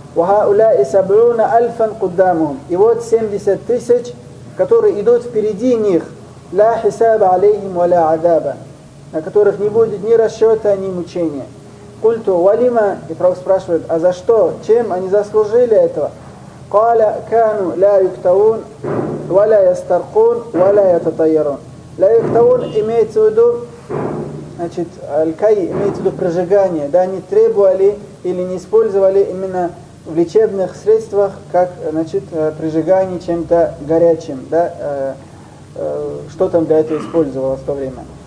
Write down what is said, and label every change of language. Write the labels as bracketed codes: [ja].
[ar] وهؤلاء 70000 قدامهم. [ru] И вот 70000, которые идут впереди них. [ar] لا حساب عليهم ولا عذابا. [ru] На которых не будет ни расчёта, ни мучения. [ar] قلت ولما. [ru] И пророк спрашивает: а за что? Чем они заслужили этого? [ar] قال كانوا لا يكتوون ولا يسترقون ولا يتطيرون. لا يكتوون [ru] имеется в виду, значит, аль-кай имеется в виду прожигание, да, они требовали или не использовали именно в лечебных средствах, как, значит, прижигание чем-то горячим, да, что там для этого использовалось в то время.